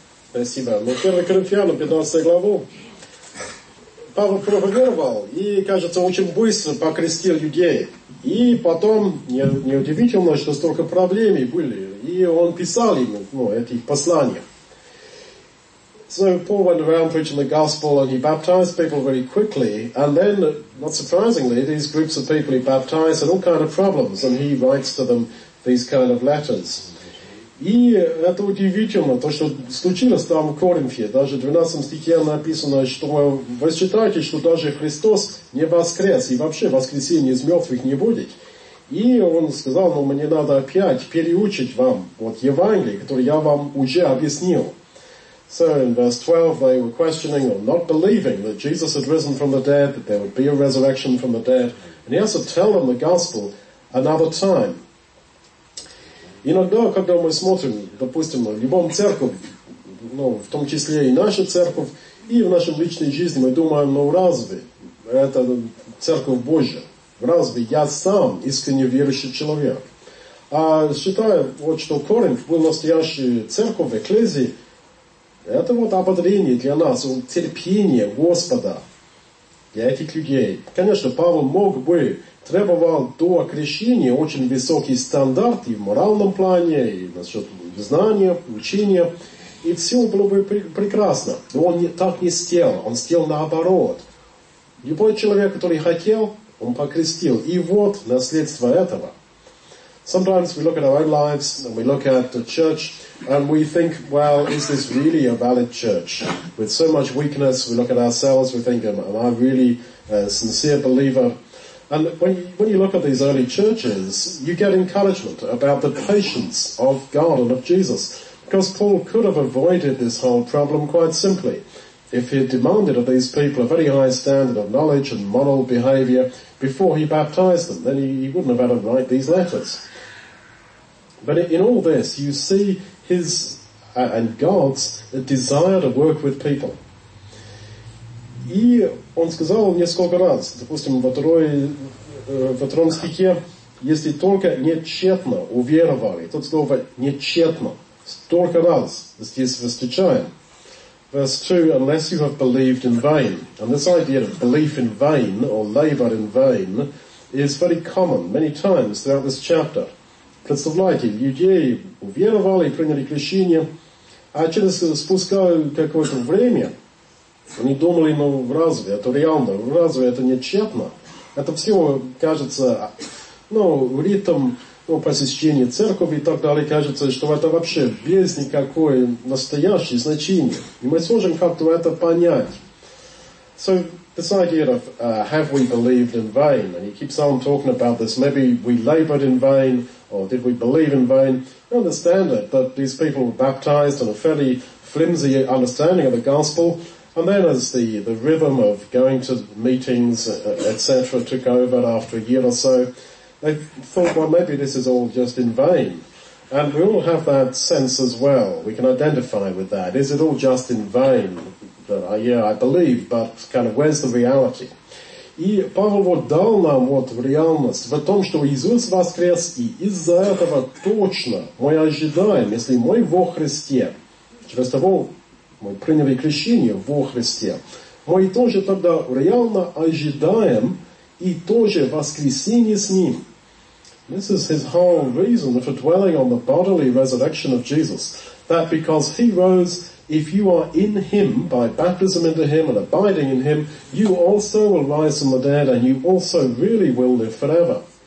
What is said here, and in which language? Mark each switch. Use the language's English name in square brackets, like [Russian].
[Russian] Спасибо. Ну, 1 Коринфянам, 15 главу. Павел проповедовал и, кажется, очень быстро покрестил людей. И потом, неудивительно, что столько проблем были. И он писал им, ну, эти послания. [English] So Paul went around preaching the gospel and he baptized people very quickly. And then, not surprisingly, these groups of people he baptized had all kinds of problems. And he writes to them these kind of letters. [Russian] И это удивительно, то, что случилось там в Коринфе. Даже в 12 стихе написано, что вы считаете, что даже Христос не воскрес, и вообще воскресение из мертвых не будет. И он сказал, ну, мне надо опять переучить вам вот Евангелие, которое я вам уже объяснил. [English] So in verse 12, they were questioning or not believing that Jesus had risen from the dead, that there would be a resurrection from the dead. And he has to tell them the gospel another time. [Russian] Иногда, когда мы смотрим, допустим, в любом церковь, ну, в том числе и наша церковь, и в нашей личной жизни, мы думаем, ну разве это церковь Божья? Разве я сам искренне верующий человек? А считаю, вот что Коринф был настоящий церковь, экклезии, это вот ободрение для нас, терпение Господа для этих людей. Конечно, Павел мог бы требовал до крещения очень высокий стандарт и в моральном плане, и насчет знания, учения. И все было бы прекрасно. Но он так не сделал. Он сделал наоборот. Любой человек, который хотел, он покрестил. И вот наследство этого. [English] Sometimes we look at our own lives, and we look at the church, and we think, well, is this really a valid church? With so much weakness, we look at ourselves, we think, am I really a sincere believer? And when you look at these early churches, you get encouragement about the patience of God and of Jesus. Because Paul could have avoided this whole problem quite simply. If he had demanded of these people a very high standard of knowledge and moral behavior before he baptized them, then he wouldn't have had to write these letters. But in all this, you see his and God's desire to work with people. [Russian] И он сказал несколько раз, допустим, во втором стихе, если только нечетно уверовали. Тут слово нечетно. Столько раз здесь встречаем. [English] Verse 2, unless you have believed in vain. And this idea of belief in vain or labor in vain is very common many times throughout this chapter. [Russian] Представляете, людей уверовали, приняли крещение, а через спускали какое-то время, они думали, ну разве это реально, разве это не тщетно? Это все кажется, ну, ритм, ну, посещения церкви и так далее, кажется, что это вообще без никакой настоящей значения. И мы сможем как-то это понять. [English] So, this idea of have we believed in vain? And he keeps on talking about this. Maybe we labored in vain, or did we believe in vain? You understand it, that these people were baptized on a fairly flimsy understanding of the gospel. And then as the rhythm of going to meetings, etc., took over after a year or so, they thought, well, maybe this is all just in vain. And we all have that sense as well. We can identify with that. Is it all just in vain? That I believe, but kind of where's the reality? [Russian] И Павел вот дал нам вот реальность в том, что Иисус воскрес, и из-за этого точно мы ожидаем, если мы во Христе, через того, мы приняли крещение во Христе. Мы тоже тогда реально ожидаем и тоже воскресение с Ним. [English] This is his whole reason for dwelling on the bodily resurrection of Jesus. That because he rose, if you are in him, by baptism into him and abiding in him, you also will rise from the dead and you also really will live forever.